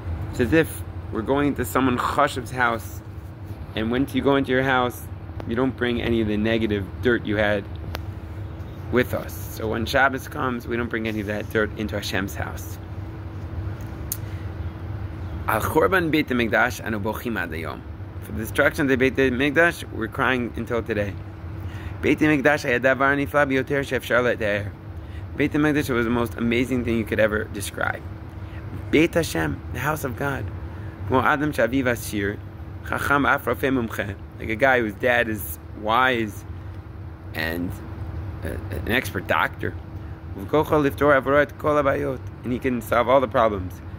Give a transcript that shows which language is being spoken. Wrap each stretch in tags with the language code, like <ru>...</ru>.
<en>It's as if we're going to someone chashev's house, and when you go into your house, you don't bring any of the negative dirt you had with us. So when Shabbos comes, we don't bring any of that dirt into Hashem's house.</en> <he>Al chorban beit hamikdash anu bochim ad hayom.</he> <en>For the destruction of the beit hamikdash, we're crying until today.</en> <he>בית המקדש היה דבר נפלא ביותר שאפשר לתאר.</he> <en>בית המקדש was the most amazing thing you could ever describe.</en> <he>בית השם,</he> <en>the house of God.</en> <he>כמו אדם שאביו עשיר, חכם אף רופא מומחה,</he> <en>like a guy whose dad is wise and an expert doctor,</en> <he>וכוחו לפתור עבורו את כל הבעיות,</he> <en>and he can solve all the problems.</en>